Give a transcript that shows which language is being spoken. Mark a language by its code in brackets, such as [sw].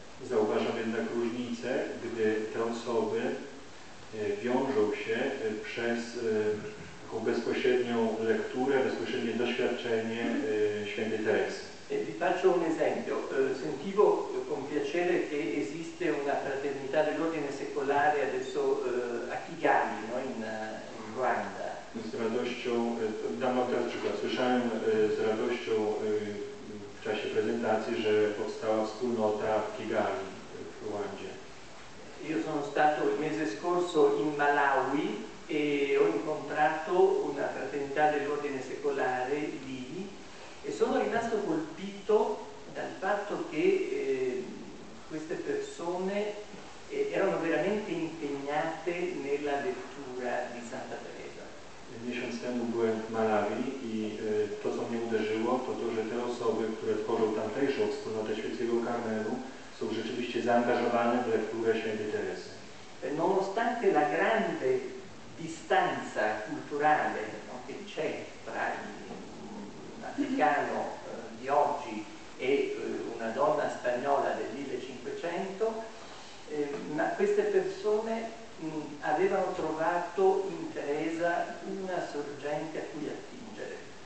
[pl] Zauważam jednak różnicę, gdy te osoby wiążą się przez taką bezpośrednią lekturę, bezpośrednie doświadczenie świętej Teresy. [it] Vi faccio un esempio. Sentivo con piacere che esiste una fraternità dell'ordine secolare adesso a Kigali, no? in Ruanda. [pl] Z radością, dam wam teraz przykład. Słyszałem z radością w czasie prezentacji, że powstała wspólnota w Kigali, w Ruandzie. [it] Io sono stato il mese scorso in Malawi e ho incontrato una fraternità dell'ordine secolare lì e sono rimasto colpito dal fatto che queste persone erano veramente impegnate nella lettura di Santa Teresa. [pl] Miesiąc temu byłem w Malawi i to, co mnie uderzyło, to, że te osoby, które tworzą tamtejszą wspólnotę świętego Karmelu, są rzeczywiście zaangażowane w lekturę świętej Teresy. [it] Nonostante la grande distanza culturale che c'è tra un africano di oggi e una donna spagnola del 1500, ma queste persone avevano trovato in Teresa una sorgente a cui attingere.